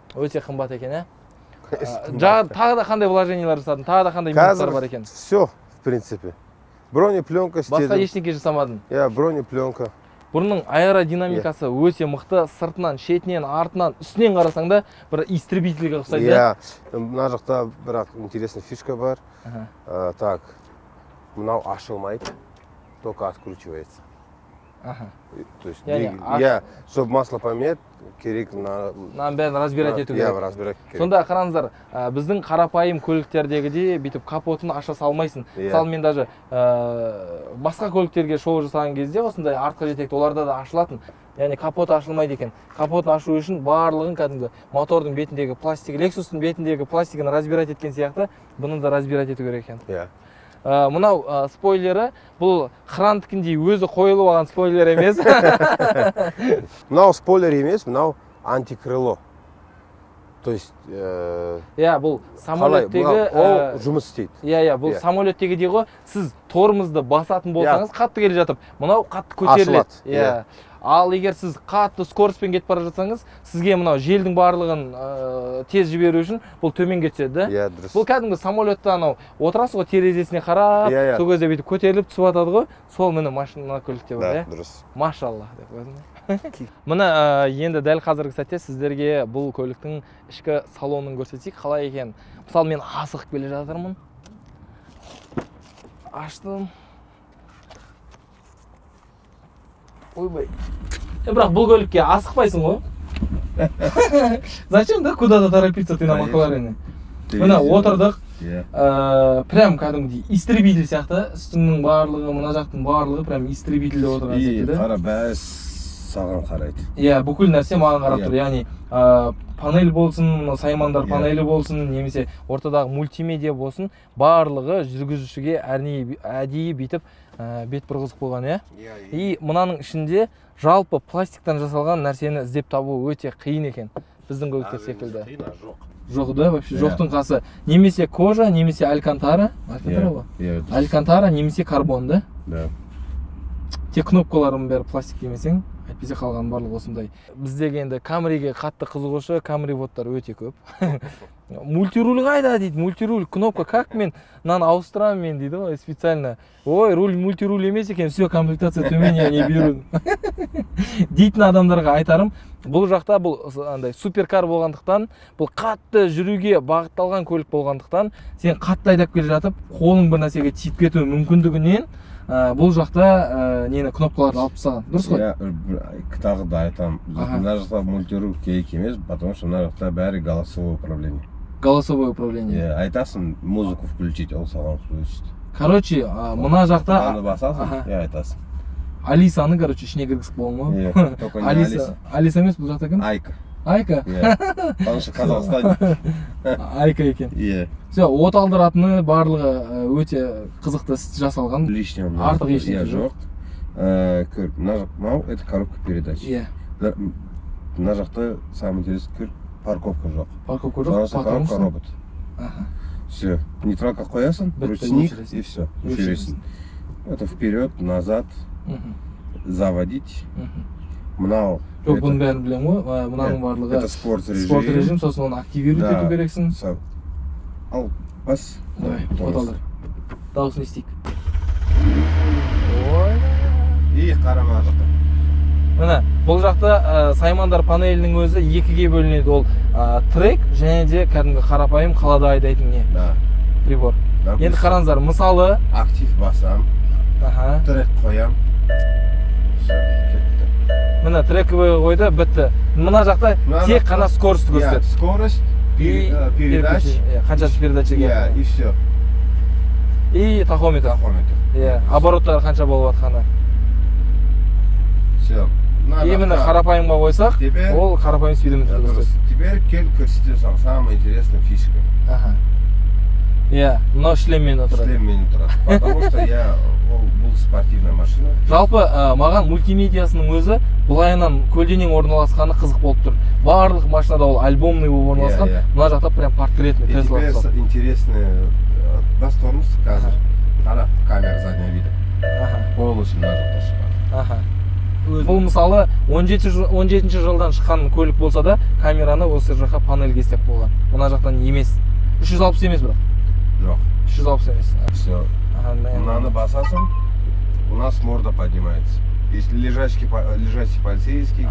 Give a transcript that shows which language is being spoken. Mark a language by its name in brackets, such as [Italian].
[Kazakh] Өте қымбат екен, ә? Тағы да қандай вложениелар жасадың? Тағы да қандай минустар бар екен? [Russian] Все, в принципе. Бронепленка істедім. [Kazakh] Басқа ештеңке жасамадың? Иә, yeah, бронепленка. Бұрының аэродинамикасы yeah. өте мықты, сыртынан, шетінен, артынан, үстінен қарасаң да, бір истребительге ұқсайды. Иә, yeah. мына жақта бірақ интересный фишка бар. [Russian] Так, [Kazakh] мынау ашылмайды, [Russian] только откручивается. То есть, я, чтобы масло поменять, керек на... [Kazakh] Нам бәрін разбирать ету [Russian] керек. Я разбирать [Kazakh] керек. Сонда, қараңыздар, біздің қарапайым көліктердегіде бүйтіп капотын аша салмайсың. Мысалы, мен даже басқа көліктерге шоу жасаған кезде осындай артқы жетекті оларда да ашылатын. Яғни капот ашылмайды екен. Капотын ашу үшін барлығын кәдімгі мотордың бетіндегі пластик, Lexus-тың бетіндегі пластигін разбирать еткен сияқты, бұны да разбирать ету керек екен. Мынау спойлері, бұл қырандыкіндей өзі қойылып алған спойлер емес. Мынау спойлер емес, мынау антикрыло. [Russian] То есть, [Kazakh] бұл самолеттегі жұмыс істейді. Иә, бұл самолеттегі дейді ғой, сіз тормозды басатын болсаңыз, қатты келе жатып, мынау қатты көтеріледі. Ашылады. Иә. Ал егер сіз қатты скоростпен кетіп бара жатсаңыз, сізге мынау желдің барлығын тез жіберу үшін бұл төмен кетеді. Иә, yeah, дұрыс. Бұл кәдімгі самолетті анау отырасыз ғой терезесіне қарап, [English] yeah, yeah. [Kazakh] сол кезде бүйтіп көтеріліп түсіп жатады ғой, сол міне машина көлікте бар. Да, yeah, дұрыс. Машаллах деп өзіңе. Мына енді дәл қазіргі сәтте сіздерге бұл көліктің ішкі салонын көрсетейік, қалай екен. Мысалы, мен асығып келе жатырмын. Аштым. Ойбай. Бірақ бұл көлікке асықпайсың ғой? [Russian] Зачем да куда-то торопиться ты на Макларене? [Kazakh] Міне отырдық. Прям кәдімгідей истребитель сияқты. Үстіңнің барлығы, мына жақтың барлығы прям истребительде отырған сияқты. Қара, бәрі саған қарайды. Иә, бүкіл нәрсе маған қарап тұр. Яғни панель болсын, саймандар панелі болсын, немесе ортадағы мультимедиа болсын, барлығы жүргізушіге әдейі бүйтіп бет бұрғызық болған, иә? Иә, и мынаның ішінде жалпы пластиктан жасалған нәрсені іздеп табу өте қиын екен. Біздің көліктер секілді. Қиын, жоқ. Жоқ, да, вообще жоқтың қасы. Немесе кожа, немесе алькантара. Алькантара ба? Иә. Алькантара, немесе карбон, да? [Russian] Да. [Kazakh] Тек кнопкаларының бәрі пластик демесең, әйтпесе қалғаны барлығы осындай. Біздегі енді Камриге қатты қызығушы, Камри боттар өте көп. Мультируль қайда дейді, мультируль, кнопка как мен, нан ауыстырам мен дейді ғой, специально. Ой, руль мультируль емес екен, все, комплектация төмен, [Russian] я не беру. [Kazakh] Дейтін адамдарға айтарым, бұл жақта бұл андай суперкар болғандықтан, бұл қатты жүруге бағытталған көлік болғандықтан, сен қатты айдап келе жатып, қолың бір нәрсеге тиіп кету мүмкіндігінен, бұл жақта нені кнопкаларды алып тастаған. Дұрыс қой? Иә, тағы да айтамын. Мына жақта мультируль керек емес, [Russian] потому что [Kazakh] мына жақта бәрі голосовое управление. [Russian] Голосовое управление. [Kazakh] Иә, айтасың [Russian] музыку включить, [Kazakh] ол саған включить. Короче, мына жақта аны басасың, иә, айтасың. Алисаны, короче, ішіне кіргізіп қойған ғой. [Russian] Иә, только не Алиса. [Kazakh] Алиса емес, бұл жақта кім? Айка. Айка? [Russian] Иә. Потому что Казахстан. [Kazakh] Айка екен. Иә. Все, от алдыратыны барлығы өте қызықты жасалған. [Russian] Лишне ондай. [Kazakh] Артық ештеңе жоқ. Көр, мына жақта, [Russian] это коробка передач. [Kazakh] Иә. Мына жақта [Russian] самый интересный [Kazakh] көр, парковка жоқ. Парковка жоқ, [Russian] патрон. Коробка робот. Все, нейтралка қоясың, ручник и все, жүресің. Это вперед, назад, заводить. [Kazakh] Мынау жоқ, бұның бәрін білемін ғой. Мынаның барлығы [Russian] это спорт режим. [Kazakh] Спорт режим, сосын оны активировать ету керексің. Да. Ал, бас. Давай, отандар. Дауысын естейік. Ой. И қарама жақта. Міне, бұл жақта саймандар панелінің өзі екіге бөлінеді. Ол трек және де кәдімгі қарапайым қалада айдайтын не? [Russian] Да. Прибор. Да, [Kazakh] енді қараңыздар, мысалы актив басам. Аха. Трек қоям. Міне, трековый қойды, бітті. Мына жақта тек қана скорость көрсетеді. [Russian] Yeah, скорость, передач. [Kazakh] Қаншасы передач екен? [Russian] Yeah, и все. И тахометр. Тахометр. [Kazakh] Иә, yeah, обороттары қанша болып жатқаны. [Russian] Все. И именно [Kazakh] қарапайымға қойсақ, ол қарапайым спидометр көрсетеді. Дұрыс. Теперь кел көрсете саған [Russian] самая интересная фишка. [Kazakh] Аха. Иә, мынау шлеммен отырады. Шлеммен отырады. [Russian] Потому что я бұл спортивная машина. [Kazakh] Жалпы маған мультимедиясының өзі былайынан көлденең орналасқаны қызық болып тұр. Барлық машинада ол альбомный болып орналасқан, мына жақта прям портретный [Russian] Тесла. Теперь интересный бас тормоз қазір. Қара, камера заднего вида. Аха. [Kazakh] Полностью мына жақта шығады. Аха. Бұл мысалы 17-ші жылдан шыққан көлік болса да, камераны осы жаққа панельге істеп болған. Мына жақтан емес. 360 емес бірақ. Жоқ. 360 емес. [Russian] Все. Аха. Надо басасом, у нас морда поднимается. Если лежачки полицейские.